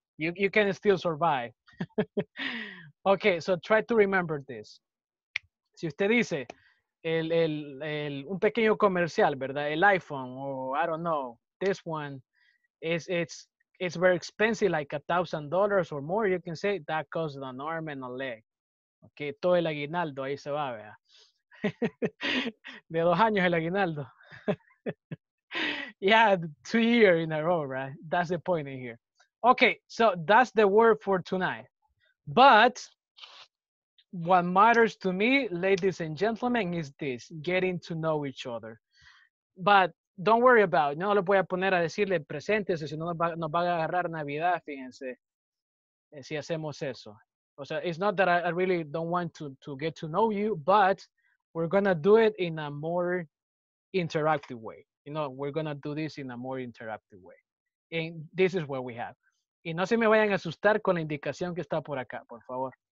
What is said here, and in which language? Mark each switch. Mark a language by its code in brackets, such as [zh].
[en] You can still survive. Okay, so try to remember this. [es] Si usted dice un pequeño comercial, ¿verdad? [en] El iPhone, or I don't know, this one it's very expensive, like $1,000 or more. You can say that costs an arm and a leg. [es] Okay, todo el aguinaldo ahí se va, ¿verdad? De 2 años el aguinaldo. [en] Yeah, 2 years in a row, right? That's the point in here. Okay, so that's the word for tonight. But what matters to me, ladies and gentlemen, is this, getting to know each other. But don't worry about it. [es] No lo voy a poner a decirle presente, si no nos va a agarrar Navidad, fíjense, si hacemos eso. O sea, [en] it's not that I really don't want to get to know you, but we're going to do it in a more interactive way. You know, we're going to do this in a more interactive way. And this is what we have. [es] Y no se me vayan a asustar con la indicación que está por acá, por favor.